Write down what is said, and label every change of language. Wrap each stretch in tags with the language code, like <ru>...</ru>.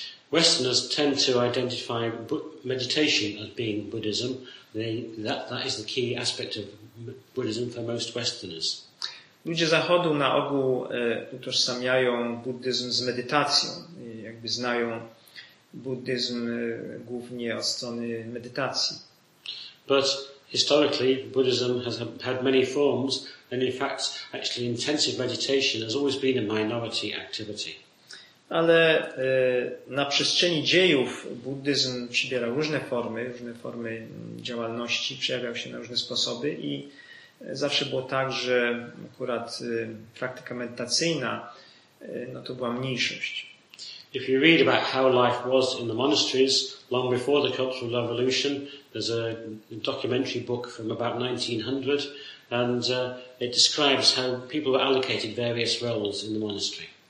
<en>Westerners tend to identify meditation as being Buddhism. That is the key aspect of Buddhism for most Westerners.</en> <pl>Ludzie zachodu na ogół utożsamiają buddyzm z medytacją. Jakby znają buddyzm głównie od strony medytacji.</pl> <en>But historically, Buddhism has had many forms, and in fact, actually, intensive meditation has always been a minority activity.</en> <pl>Ale na przestrzeni dziejów buddyzm przybierał różne formy działalności, przejawiał się na różne sposoby i zawsze było tak, że akurat praktyka medytacyjna no to była mniejszość.</pl> <en>If you read about how life was in the monasteries long before the Cultural Revolution, there's a documentary book from about 1900 and it describes how people were allocated various roles in the monastery.</en>